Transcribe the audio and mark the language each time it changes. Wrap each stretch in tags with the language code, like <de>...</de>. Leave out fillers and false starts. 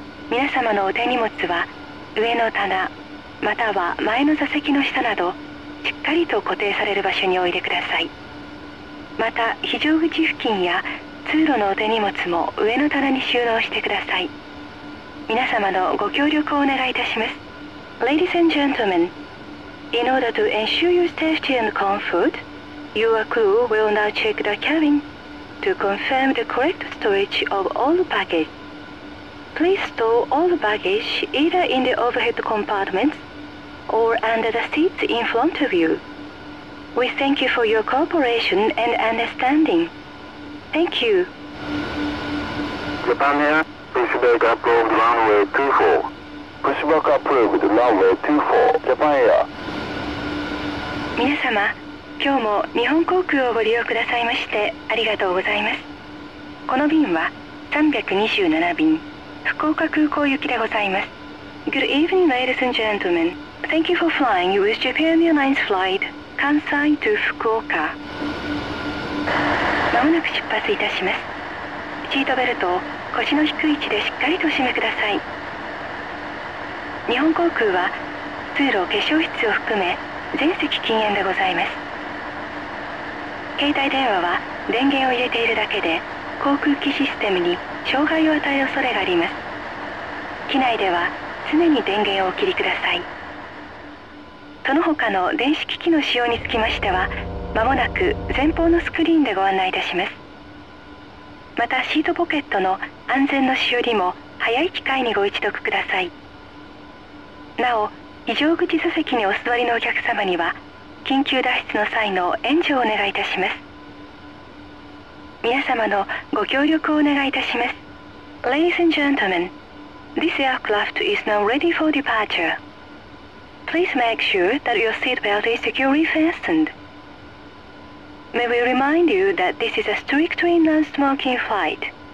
<ja>皆様のお手荷物は上の棚または前の座席の下などしっかりと固定される場所に置いてください。また非常口付近や通路のお手荷物も上の棚に収納してください。皆様のご協力をお願いいたします。</ja> <en>Ladies and gentlemen, in order to ensure your safety and comfortYour crew will now check the cabin to confirm the correct storage of all the baggage. Please store all the baggage either in the overhead compartments or under the seats in front of you. We thank you for your cooperation and understanding. Thank you. Japan Air, pushback approved runway 24. Pushback approved runway 24, Japan Air.</en> <ja>皆様今日も日本航空をご利用くださいましてありがとうございます。この便は327便福岡空港行きでございます。</ja> <en>Good evening ladies and gentlemen. Thank you for flying with Japan Airlines flight Kansai to Fukuoka.</en> <ja>まもなく出発いたします。シートベルトを腰の低い位置でしっかりと締めください。日本航空は通路化粧室を含め全席禁煙でございます。携帯電話は電源を入れているだけで航空機システムに障害を与える恐れがあります。機内では常に電源をお切りください。その他の電子機器の使用につきましてはまもなく前方のスクリーンでご案内いたします。またシートポケットの安全のしおりも早い機会にご一読ください。なお非常口座席にお座りのお客様には緊急脱出の際の援助をお願いいたします。皆様のご協力をお願いいたします。</ja> <en>Ladies and gentlemen, this aircraft is now ready for departure. Please make sure that your seatbelt is securely fastened. May we remind you that this is a strictly non-smoking flight.</en>